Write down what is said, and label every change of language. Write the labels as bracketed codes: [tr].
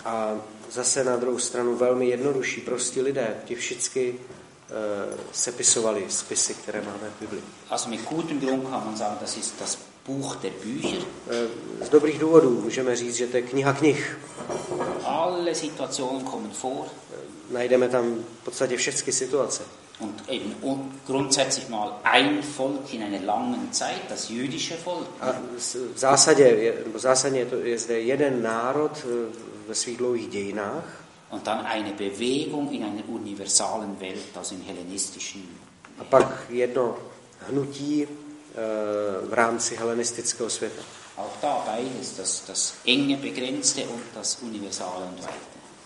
[cs] A zase na druhou stranu velmi jednodušší, prostí lidé, ti všichni sepisovali spisy, které máme v Biblii. [de] Also mit gutem Grund kann man sagen, das ist das Buch der Bücher. [cs] Z dobrých důvodů můžeme říct, že to je kniha knih. [de] Alle Situationen kommen vor. [cs] Najdeme tam v podstatě všechny situace. [de] Und eben grundsätzlich mal ein Volk in einer langen Zeit, das jüdische Volk. [cs] A v zásadě je zde jeden národ ve svých dlouhých dějinách. [de] Und dann eine Bewegung in einer universalen Welt, also im hellenistischen. [cs] A pak jedno hnutí v rámci helenistického světa. [de] Auch da beides, das enge begrenzte und das universale und weite.